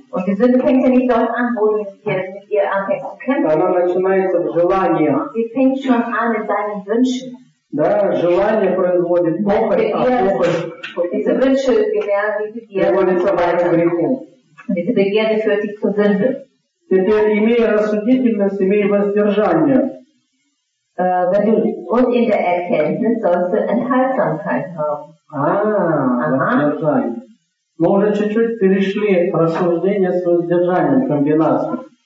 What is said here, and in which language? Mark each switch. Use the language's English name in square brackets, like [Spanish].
[Russian] Она начинается в желаниях. Да, желание производит похоть, а похоть приводится в греху. Теперь имей рассудительность, имей воздержание. [German] Wenn du gut in der Erkenntnis sollst du Enthaltsamkeit haben. Ah, das kann sein. [Russian] Мы уже чуть-чуть перешли рассуждение с воздержанием комбинации.